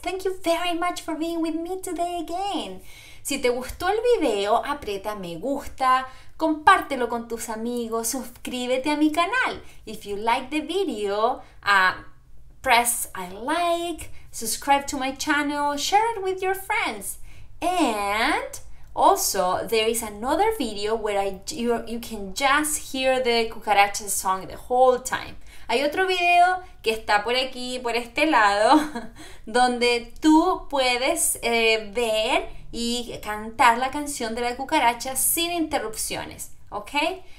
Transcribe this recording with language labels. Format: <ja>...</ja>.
<en>Thank you very much for being with me today again.</en> <es>Si te gustó el video, aprieta me gusta, compártelo con tus amigos, suscríbete a mi canal.</es> <en>If you like the video, press I like, subscribe to my channel, share it with your friends. And also, there is another video where you can just hear the cucaracha song the whole time.</en> <es>Hay otro video que está por aquí, por este lado, donde tú puedes ver y cantar la canción de la cucaracha sin interrupciones, ¿ok?</es>